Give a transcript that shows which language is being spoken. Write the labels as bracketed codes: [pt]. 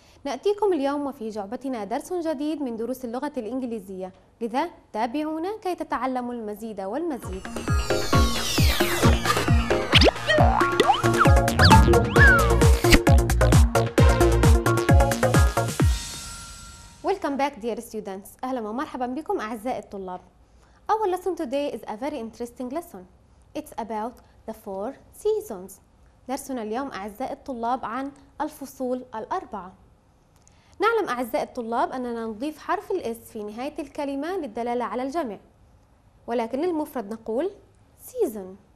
[ar] نأتيكم اليوم وفي جعبتنا درس جديد من دروس اللغة الإنجليزية، لذا تابعونا كي تتعلموا المزيد والمزيد. [en] Welcome back dear students. [ar] أهلا ومرحبا بكم أعزائي الطلاب. [en] Our lesson today is a very interesting lesson. It's about the four seasons. [ar] درسنا اليوم أعزائي الطلاب عن الفصول الأربعة. نعلم أعزائي الطلاب أننا نضيف حرف الإس في نهاية الكلمة للدلالة على الجمع، ولكن للمفرد نقول season.